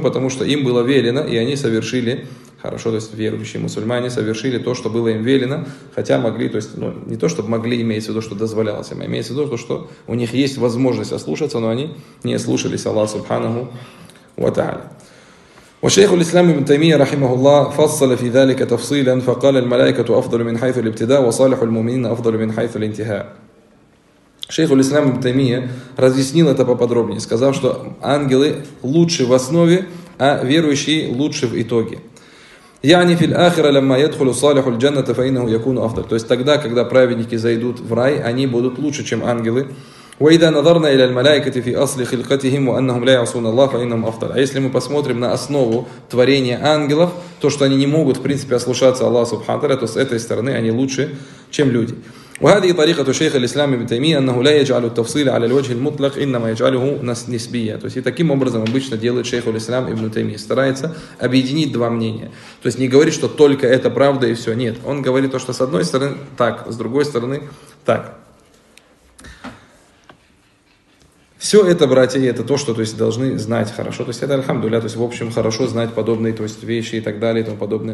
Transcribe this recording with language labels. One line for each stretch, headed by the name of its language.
Russian: Потому что им было велено, и они совершили, хорошо, то есть верующие мусульмане совершили то, что было им велено, хотя могли, то есть, ну, не то, чтобы могли, имеется в виду, что дозволялось им, а имеется в виду то, что у них есть возможность ослушаться, но они не слушались Аллаха Субханаху ва Тааля.
Arabic: وشيخ الإسلام ابن تيمية رحمه الله فصل في ذلك تفصيلا فقال الملائكة أفضل من حيث الابتداء وصالح المؤمنين أفضل من حيث الانتهاء.
Russian: Шейх ул-Ислам ибн Таймия разъяснил это поподробнее, сказав, что ангелы лучше в основе, а верующие лучше в итоге.
Arabic: يعني في الآخرة لما يدخل صالح الجنة فإنه يكون أفضل.
Russian: То есть тогда, когда праведники зайдут в рай, они будут лучше, чем ангелы.
Arabic: وإذا نظرنا إلى الملائكة في أصل خلقتهم وأنهم لا يعصون الله فإنهم أفضل.
Russian: А если мы посмотрим на основу творения ангелов, то что они не могут, в принципе, ослушаться Аллаха Субхану Таля, то с этой стороны они лучше, чем люди.
Arabic: وهذه طريقة شيخ الإسلام ابن تيمية أنه لا يجعل التفصيل على الوجه المطلق إنما يجعله نسبيا.
Russian: То есть и таким образом обычно делает шейх ул-Ислам ибн Таймия, старается объединить два мнения. То есть не говорит, что только это правда и все. Нет, он говорит то, что с одной стороны так, с другой стороны так. Все это, братья, это то, что, то есть, должны знать хорошо. То есть это альхамдулля, то есть, в общем, хорошо знать подобные, то есть, вещи и так далее и тому подобное.